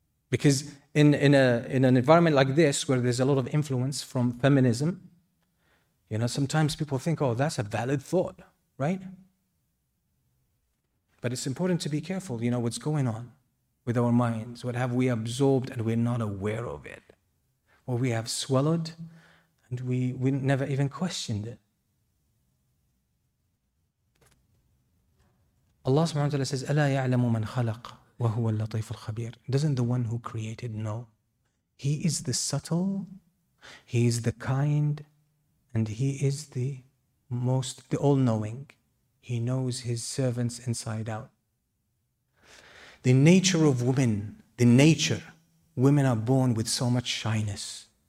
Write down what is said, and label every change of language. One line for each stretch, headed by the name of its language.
English: Because in an environment like this, where there's a lot of influence from feminism, you know, sometimes people think, oh, that's a valid thought, right? But it's important to be careful, you know, what's going on with our minds. What have we absorbed and we're not aware of it? What we have swallowed and we never even questioned it. Allah subhanahu wa ta'ala says,
Arabic: أَلَا يَعْلَمُ مَنْ خَلَقَ وَهُوَ اللَّطِيفُ الْخَبِيرُ.
English: Doesn't the one who created know? He is the subtle, he is the kind, and he is the all-knowing. He knows his servants inside out. The nature of women, women are born with so much shyness.